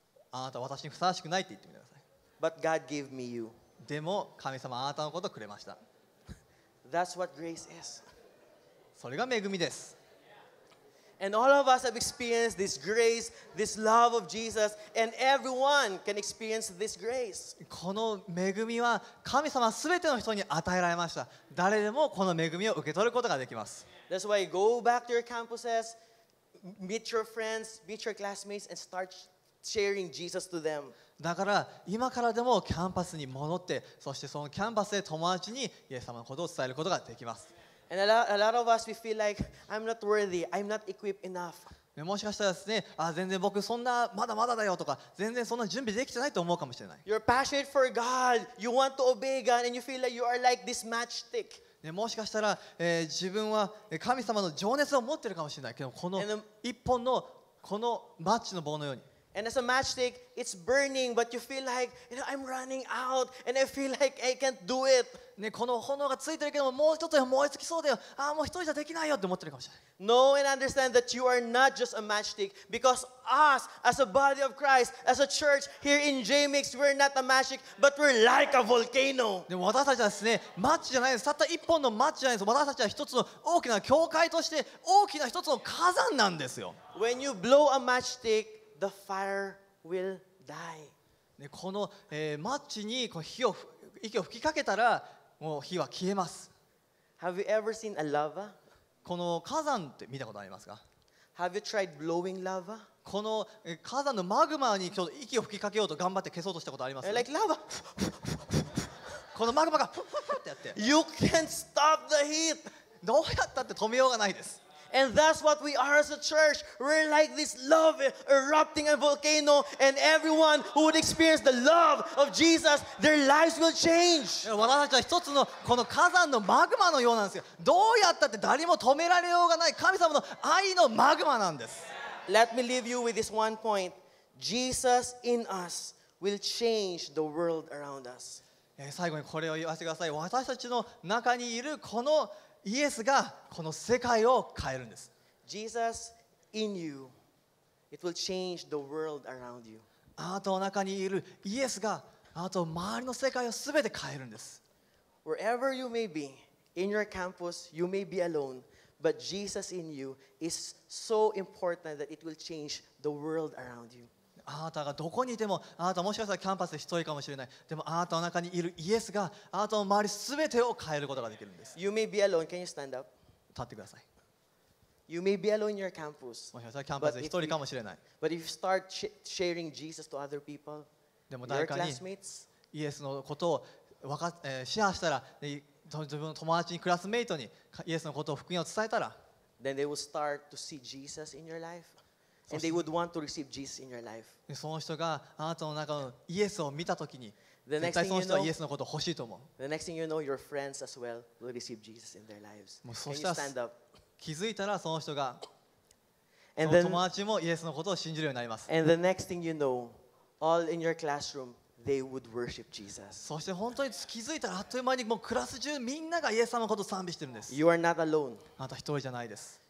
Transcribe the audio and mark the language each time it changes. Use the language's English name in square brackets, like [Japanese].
[Japanese] あなたは私にふさわしくないって言ってみてください。 [English] But God gave me you. [Japanese] でも神様はあなたのことをくれました。 [English] That's what grace is. [Japanese] それが恵みです。 [English] And all of us have experienced this grace, this love of Jesus, and everyone can experience this grace. [Japanese] この恵みは神様すべての人に与えられました。誰でもこの恵みを受け取ることができます。 [English] That's why go back to your campuses, meet your friends, meet your classmates, and start sharing Jesus to them. [Japanese] だから今からでもキャンパスに戻って、そしてそのキャンパスで友達にイエス様のことを伝えることができます。 [English] And a lot of us, we feel like, I'm not worthy, I'm not equipped enough. [Japanese] もしかしたらですね、あ、全然僕そんな、まだまだだよとか、全然そんな準備できてないと思うかもしれない。 [English] You're passionate for God, you want to obey God, and you feel like you are like this matchstick. [Japanese] もしかしたら、自分は神様の情熱を持ってるかもしれないけどこの一本のこのマッチの棒のように [English] And as a matchstick, it's burning, but you feel like, you know, I'm running out, and I feel like I can't do it. [Japanese] ね、この炎がついてるけども、もうちょっと燃え尽きそうだよ。あ、もう一人じゃできないよって思ってるかもしれない。 [English] Know and understand that you are not just a matchstick, because us, as a body of Christ, as a church here in JMix, we're not a matchstick, but we're like a volcano. [Japanese] ね、私たちはですね、マッチじゃないです。たった一本のマッチじゃないです。私たちは一つの大きな教会として大きな一つの火山なんですよ。 [English] When you blow a matchstick. The fire will die. [Japanese] ね、この、マッチにこう火を息を吹きかけたら、もう火は消えます。 [English] Have you ever seen a lava? [Japanese] この火山って見たことありますか? [English] Have you tried blowing lava? [Japanese] この、火山のマグマにちょっと息を吹きかけようと頑張って消そうとしたことありますか? [English] Like lava. [Japanese] このマグマがフッフッフッフッフッってやって。 [English] You can't stop the heat. [Japanese] どうやったって止めようがないです。 [English] And that's what we are as a church. We're like this love erupting a volcano, and everyone who would experience the love of Jesus, their lives will change. [Japanese] 私たちは一つのこの火山のマグマのようなんですよ。どうやったって誰も止められようがない神様の愛のマグマなんです。 [English] Let me leave you with this one point. Jesus in us will change the world around us. [Japanese] 最後にこれを言わせてください。私たちの中にいるこのイエスがこの世界を変えるんです。 [English] Jesus in you, it will change the world around you. [Japanese] あなたの中にいるイエスがあなたの周りの世界をすべて変えるんです。 [English] Wherever you may be, in your campus, you may be alone, but Jesus in you is so important that it will change the world around you. [Japanese] あなたがどこにいても、あなたもしかしたらキャンパスで一人かもしれない。でもあなたの中にいるイエスがあなたの周りすべてを変えることができるんです。 [English] You may be alone. Can you stand up? [Japanese] 立ってください。 [English] You may be alone in your campus. [Japanese] もしかしたらキャンパスで一人かもしれない。 [English] But if you start sharing Jesus to other people, [Japanese] でも誰かにイエスのことを分か、シェアしたら、自分の友達にクラスメイトにイエスのことを福音を伝えたら、 [English] Then they will start to see Jesus in your life. And they would want to receive Jesus in your life. [Japanese] その人があなたの中のイエスを見たときに、絶対その人はイエスのことを欲しいと思う。 [English] The next thing you know, your friends as well will receive Jesus in their lives. [Japanese] もうそしたら気づいたらその人が、その友達もイエスのことを信じるようになります。 [English] And the next thing you know, all in your classroom, they would worship Jesus. [Japanese] そして本当に気づいたらあっという間にもうクラス中みんながイエス様のことを賛美してるんです。 [English] You are not alone. [Japanese] あなた一人じゃないです。